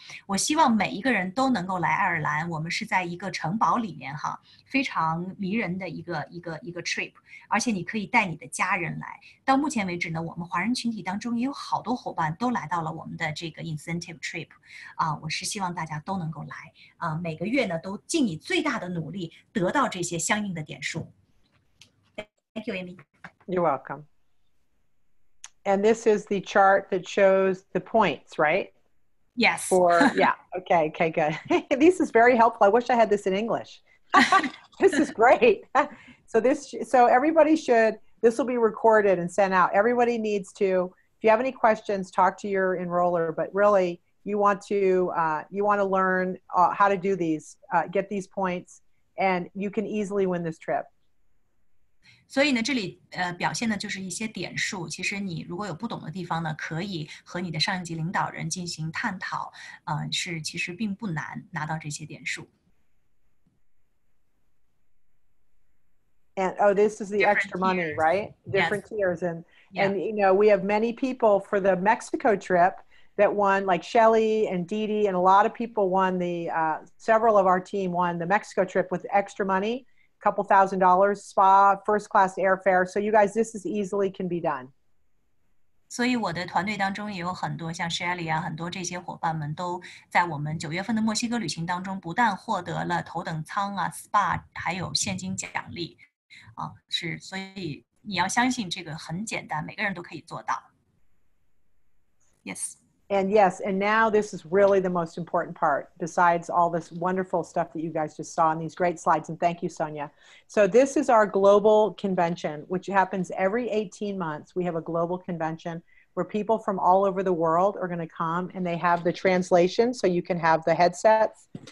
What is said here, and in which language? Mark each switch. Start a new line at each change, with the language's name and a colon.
Chinese: 我希望每一个人都能够来爱尔兰，我们是在一个城堡里面哈，非常迷人的一个 trip， 而且你可以带你的家人来。到目前为止呢，我们华人群体当中也有好多伙伴都来到了我们的这个
English: incentive trip，
Chinese: 我是希望大家都能够来，每个月呢都尽你最大的努力得到这些相应的点数。
English: Thank you, Amy. You're welcome. And this is the chart that shows the points, right? Yes. Okay, good. This is very helpful. I wish I had this in English. This is great. So everybody should, this will be recorded and sent out. Everybody needs to, if you have any questions, talk to your enroller, but really you want to learn how to do these, get these points, and you can easily win this trip.
Chinese: 所以呢，这里表现的就是一些点数。其实你如果有不懂的地方呢，可以和你的上一级领导人进行探讨。是其实并不难拿到这些点数。
English: And oh, this is the extra money, right? Different tiers, and you know, we have many people for the Mexico trip that won, like Shelley and Dee Dee, and a lot of people won the several of our team won the Mexico trip with extra money. Couple thousand dollars, spa, first class airfare. So you guys, this is easily can be done.
Chinese: 所以我的团队当中也有很多像 Shelley 啊，很多这些伙伴们都在我们九月份的墨西哥旅行当中，不但获得了头等舱啊、spa， 还有现金奖励。啊，是，所以你要相信这个很简单，每个人都可以做到。
English: Yes. And yes, and now this is really the most important part, besides all this wonderful stuff that you guys just saw in these great slides. And thank you, Sonia. So this is our global convention, which happens every 18 months. We have a global convention where people from all over the world are going to come, and they have the translation, so you can have the headsets.